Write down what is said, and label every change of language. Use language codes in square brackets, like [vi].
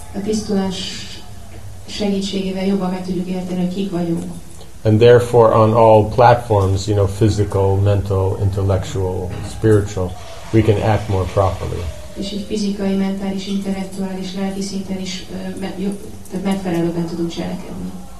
[hu] A tisztulás segítségével jobban meg tudjuk érteni, hogy kik vagyunk. [en] And therefore, on all platforms, you know, physical, mental, intellectual, spiritual, we can act more properly. [hu] És így fizikai, mentális, intellektuális, lelki szinten is megfelelően tudunk cselekedni.